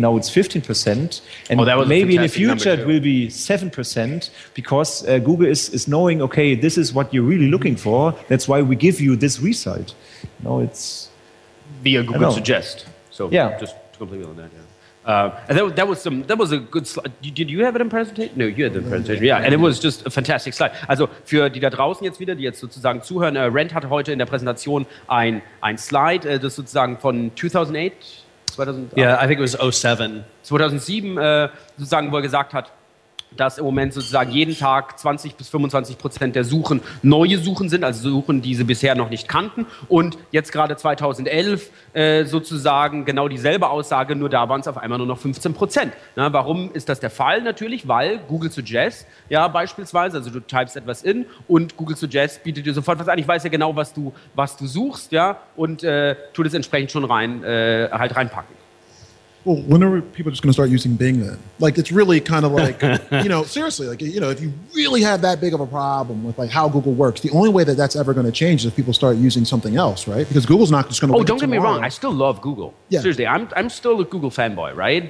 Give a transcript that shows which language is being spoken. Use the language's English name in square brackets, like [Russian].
[English] Now it's 15%. And maybe in the future it will be 7%, because Google is knowing, okay, this is what you're really looking for. That's why we give you this result. No, it's via Google Suggest. So yeah. Just completely on that, yeah. That was a good slide. Did you have it in presentation? No, you had the presentation. Yeah, and it was just a fantastic slide. [German] Also für die da draußen jetzt wieder, die jetzt sozusagen zuhören, Rent hatte heute in der Präsentation ein Slide, das sozusagen von 2008. [English] Yeah, I think it was 07. [German] 2007 sozusagen, wo er gesagt hat, dass im Moment sozusagen jeden Tag 20-25% der Suchen neue Suchen sind, also Suchen, die sie bisher noch nicht kannten. Und jetzt gerade 2011 sozusagen genau dieselbe Aussage, nur da waren es auf einmal nur noch 15%. Na, warum ist das der Fall? Natürlich, weil Google Suggest, ja, beispielsweise, also du typst etwas in und Google Suggest bietet dir sofort was an. Ich weiß ja genau, was du suchst, ja, und tut es entsprechend schon rein, halt reinpacken. [English] Well, when are people just going to start using Bing then? Like, it's really kind of like, you know, seriously, like, you know, if you really have that big of a problem with, like, how Google works, the only way that that's ever going to change is if people start using something else, right? Because Google's not just going to... Oh, don't get me wrong. I still love Google. Yeah. Seriously, I'm still a Google fanboy, right?